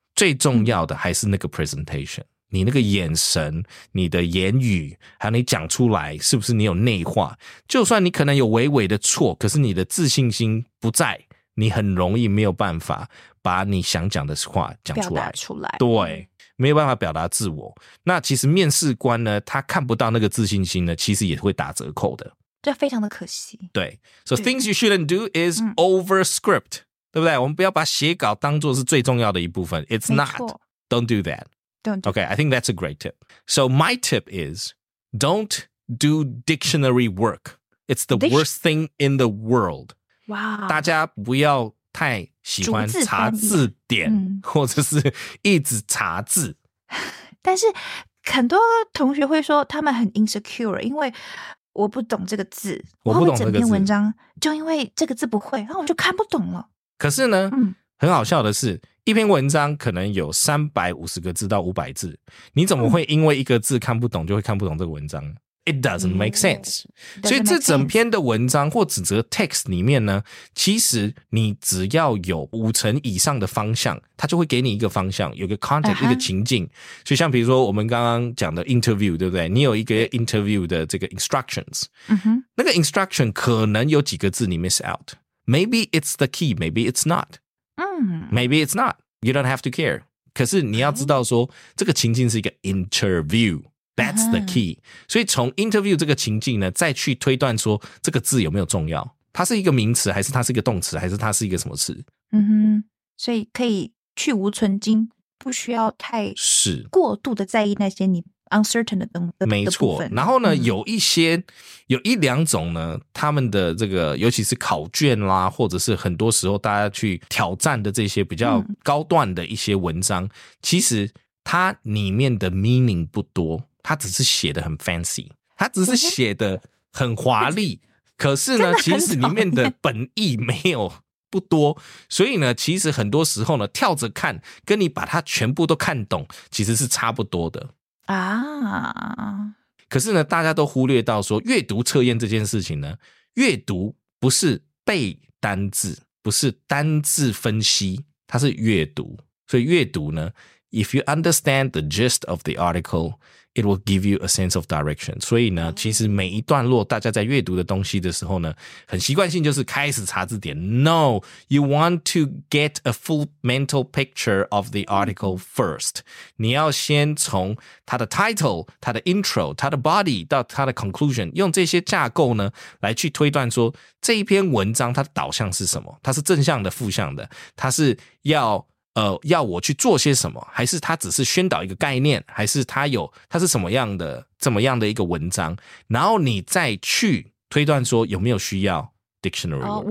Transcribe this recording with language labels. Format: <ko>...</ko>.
<zh>最重要的还是那个 presentation你那个眼神你的言语还有你讲出来是不是你有内化就算你可能有微微的错可是你的自信心不在你很容易没有办法把你想讲的话讲出来表达出来对没有办法表达自我那其实面试官呢他看不到那个自信心呢其实也会打折扣的这非常的可惜</zh> <en>对 So things you shouldn't do is over script、嗯、对不对我们不要把写稿当作是最重要的一部分 It's not Don't do thatOkay, I think that's a great tip. So my tip is, don't do dictionary work. It's the worst thing in the world. Wow.</en> <zh>大家不要太喜欢查字典，或者是一直查字。但是很多同学会说他们很 insecure， 因为我不懂这个字，我不懂这个字，整篇文章就因为这个字不会，然后我就看不懂了。可是呢，很好笑的是。一篇文章可能有350个字到500字，你怎么会因为一个字看不懂就会看不懂这个文章 ？ It doesn't make sense、 mm-hmm.。所以这整篇的文章或指责 text 里面呢，其实你只要有50%以上的方向，它就会给你一个方向，有个 context、uh-huh. 一个情境。所以像比如说我们刚刚讲的 interview， 对不对？你有一个 interview 的这个 instructions，、 mm-hmm.</zh> <en>那个 instruction 可能有几个字你 miss out，maybe it's the key，maybe it's not。Maybe it's not. you don't have to care.</en> <zh>可是你要知道说、这个情境是一个 interview, that's the key.、所以从 interview 这个情境呢再去推断说这个字有没有重要。它是一个名词还是它是一个动词还是它是一个什么词。嗯哼，所以可以去无存精，不需要太过度的在意那些你 uncertain 的东西。没错。然后呢、有一些有一两种呢他们的这个尤其是考卷啦或者是很多时候大家去挑战的这些比较高段的一些文章、其实它里面的 meaning 不多，它只是写的很 fancy, 它只是写的很华丽。可是呢其实里面的本意没有不多，所以呢其实很多时候呢跳着看跟你把它全部都看懂其实是差不多的啊。可是呢大家都忽略到说阅读测验这件事情呢，阅读不是背单字，不是单字分析，它是阅读。</zh> <en>所以阅读呢 if you understand the gist of the articleIt will give you a sense of direction.</en> <zh>所以呢其实每一段落大家在阅读的东西的时候呢很习惯性就是开始查字典。</zh> <en>No, you want to get a full mental picture of the article first.</en> <zh>你要先从它的 title, 它的 intro, 它的 body, 到它的 conclusion, 用这些架构呢来去推断说这一篇文章它的导向是什么，它是正向的负向的，它是要要我去做些什么，还是他只是宣导一个概念，还是他有他是什么样的这么样的一个文章，然后你再去推断说有没有需要 dictionary word,、</zh>